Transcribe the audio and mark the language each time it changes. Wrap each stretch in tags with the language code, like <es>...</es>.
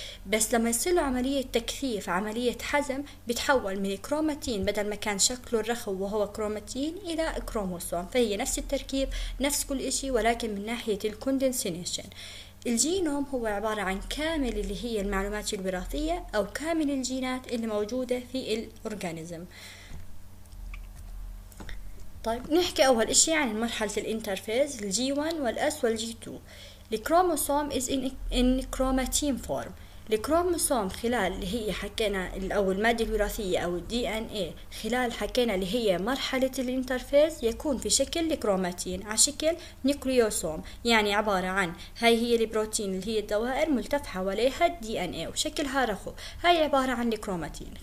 <ar>بس لما يصير عملية تكثيف عملية حزم بتحول من كروماتين بدل ما كان شكله الرخو وهو كروماتين إلى كروموسوم، فهي نفس التركيب نفس كل إشي ولكن من ناحية الكوندنسينيشن. الجينوم هو عبارة عن كامل اللي هي المعلومات الوراثية أو كامل الجينات اللي موجودة في الأورغانيزم. طيب نحكي أول إشي عن مرحلة الانترفيز G1 والأس والG2.</ar> <en>الكروموسوم is in chromatin form.</en> <ar>الكروموسوم خلال اللي هي حكينا أو المادة الوراثية أو DNA خلال حكينا اللي هي مرحلة الانترفيز يكون في شكل الكروماتين على شكل نيكليوسوم، يعني عبارة عن هاي هي البروتين اللي هي الدوائر ملتف حواليها DNA وشكلها رخو، هاي عبارة عن الكروماتين.</ar>